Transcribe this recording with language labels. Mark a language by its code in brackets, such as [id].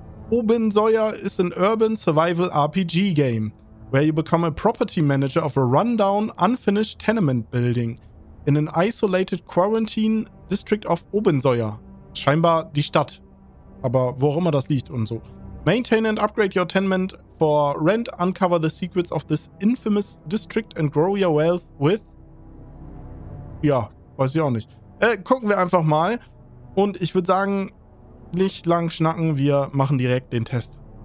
[en] Obensäuer ist ein Urban Survival RPG Game, where you become a property manager of a rundown, unfinished tenement building in an isolated quarantine district of Obensäuer. [de] Scheinbar die Stadt, aber wo auch immer das liegt und so. [en] Maintain and upgrade your tenement for rent, uncover the secrets of this infamous district and grow your wealth with... [de] Ja... Weiß ich auch nicht. Gucken wir einfach mal. Und ich würde sagen, nicht lang schnacken, wir machen direkt den Test.